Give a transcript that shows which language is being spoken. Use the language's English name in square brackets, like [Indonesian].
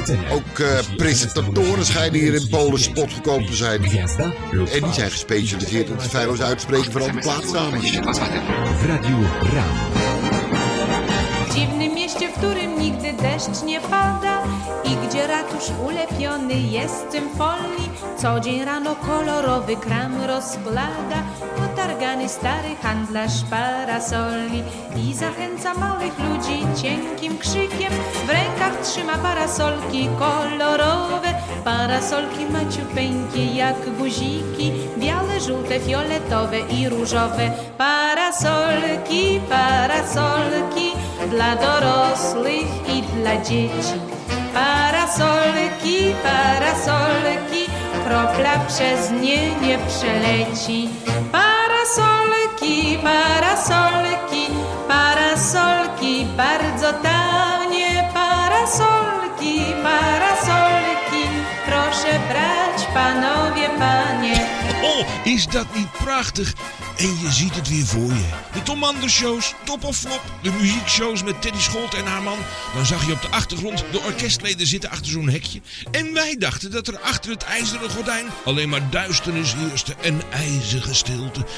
[Dutch] Ook presentatoren schijnen hier in Polen spot gekomen te zijn. En die zijn gespecialiseerd in het feilloos uitspreken van alle plaatsnamen. Radio Ram. [Polish] Dziwnym mieście, w którym nigdy deszcz nie pada i gdzie ratusz ulepiony jest symfoli. Co dzień rano kolorowy kram rozblada, potargany stary handlarz parasoli. I zachęca małych ludzi cienkim krzykiem, w rękach trzyma parasolki kolorowe. Parasolki maciupeńkie jak guziki, białe, żółte, fioletowe i różowe. Parasolki, parasolki dla dorosłych i dla dzieci. Parasolki, parasolki, kropla przez nie nie przeleci. Parasolki, parasolki, parasolki bardzo tanie. Parasolki, parasolki, proszę brać panowie, panie. [Dutch] O, is dat niet prachtig? En je ziet het weer voor je. De Tom Anders shows, Top of Flop. De muziekshows met Teddy Scholten en haar man. Dan zag je op de achtergrond de orkestleden zitten achter zo'n hekje. En wij dachten dat er achter het ijzeren gordijn alleen maar duisternis heerste en ijzige stilte.